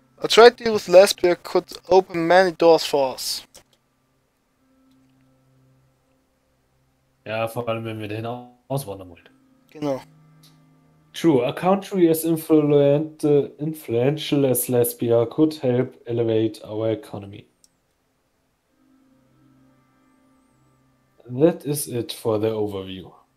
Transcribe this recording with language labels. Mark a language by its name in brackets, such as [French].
[English] A trade deal with Lesbia could open many doors for us. [German] Ja, vor allem wenn wir dahin auswandern wollen. Genau. [English] True, a country as influential as Lesbia could help elevate our economy. That is it for the overview.